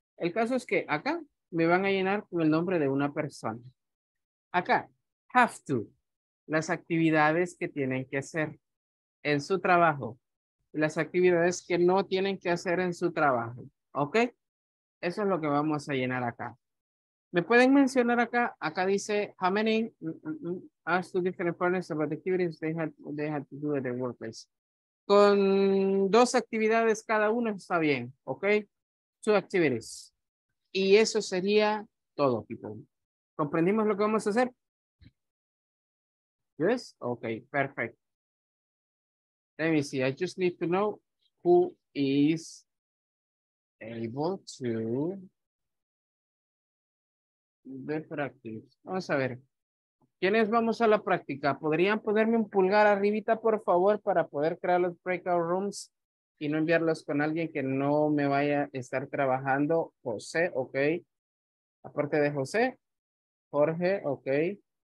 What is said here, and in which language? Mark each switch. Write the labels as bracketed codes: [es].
[es] El caso es que acá me van a llenar con el nombre de una persona. Acá, have to, las actividades que tienen que hacer en su trabajo. Las actividades que no tienen que hacer en su trabajo. ¿Ok? Eso es lo que vamos a llenar acá. ¿Me pueden mencionar acá? Acá dice, [en] how many asked two different partners about the activities they had to do at their workplace. [es] Con dos actividades cada uno está bien, ¿ok? [en] Two activities. [es] Y eso sería todo, people. ¿Comprendimos lo que vamos a hacer? [en] Yes? Ok, perfect. Let me see, I just need to know who is able to the practice. [es] Vamos a ver. ¿Quiénes vamos a la práctica? ¿Podrían ponerme un pulgar arribita, por favor, para poder crear los breakout rooms y no enviarlos con alguien que no me vaya a estar trabajando. José, ok. Aparte de José. Jorge, ok.